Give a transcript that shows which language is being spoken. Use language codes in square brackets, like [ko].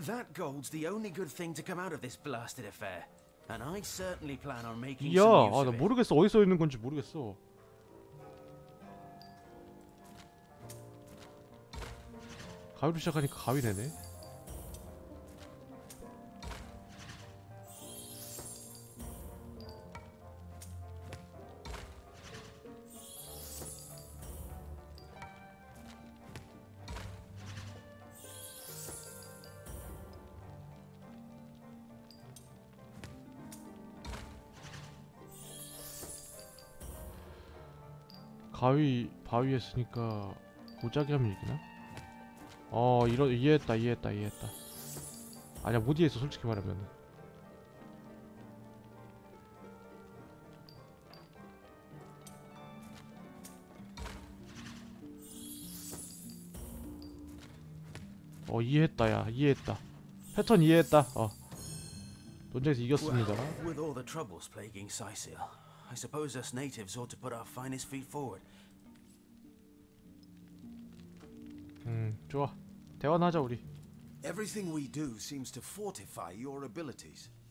[en] That gold's the only good thing to come out of this blasted affair. And I certainly plan on making some use of it. [ko] 야, 아, 나 모르겠어. 어디 써 있는 건지 모르겠어. 가위로 시작하니까 가위 되네. 바위 했으니까 보자기 하면 이기나? 어 이런 이해했다 아니야 못 이해했어 솔직히 말하면. 어 이해했다 야 이해했다 패턴 이해했다 어 논쟁에서 이겼습니다. [en] With all the troubles plaguing Sicil, I suppose us natives ought to put our finest feet forward. [ko] 좋아 대화하자 우리. [en] Everything we do seems to fortify your abilities.